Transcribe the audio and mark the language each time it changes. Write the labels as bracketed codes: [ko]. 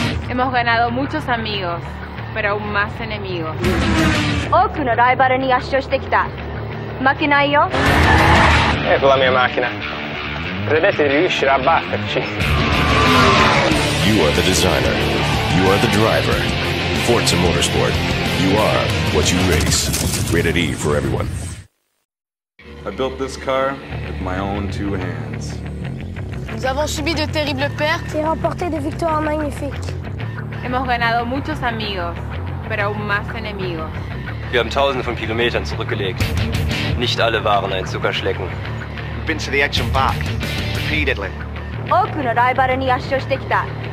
[es] Hemos ganado muchos amigos, pero aún más enemigos. [ja] 多くのライバルに圧勝してきた。負けないよ。 [it] ecco la mia macchina. Credete di riuscire a batterci. [en] You are the designer. You are the driver. Forza Motorsport. You are what you race. Rated E for everyone. I built this car with my own two hands. [fr] Nous avons subi de terribles pertes et remporté des victoires magnifiques. [es] Hemos ganado muchos amigos, pero aún más enemigos. [de] Wir haben tausende von Kilometern zurückgelegt. Nicht alle waren ein Zuckerschlecken. [en] We've been to the edge and back, repeatedly. [ja] 多くのライバルに圧勝してきた。